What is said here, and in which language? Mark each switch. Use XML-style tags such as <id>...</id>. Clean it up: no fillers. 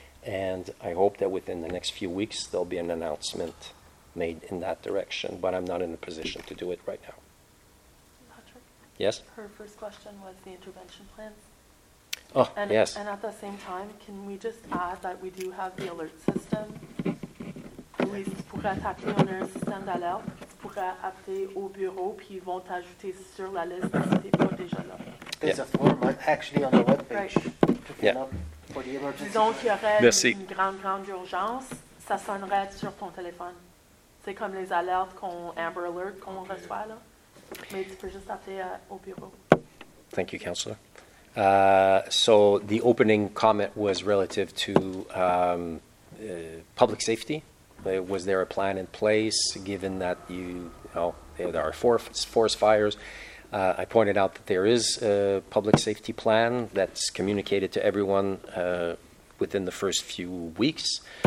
<en>And I hope that within the next few weeks, there'll be an announcement made in that direction. But I'm not in a position to do it right now. Yes? Her first question was the intervention plan. Oh, and, yes. And at the same time, can we just add that we do have the alert system?</en> <fr>Oui, si tu pourrais attaquer, on a un système d'alerte, puis tu pourrais appeler au bureau, puis ils vont t'ajouter sur la liste si t'es pas déjà là.</fr> <en>There's a form actually on the web page to fill up for the emergency.</en> <fr>Disons qu'il y aurait une grande, grande urgence, ça sonnerait sur ton téléphone. C'est comme les alertes qu'on, Amber Alert qu'on reçoit là. Mais tu peux juste appeler au bureau.</fr> <en>Thank you, Counselor. So the opening comment was relative to public safety. Was there a plan in place given that you, there are four forest fires? I pointed out that there is a public safety plan that's communicated to everyone within the first few weeks.</en>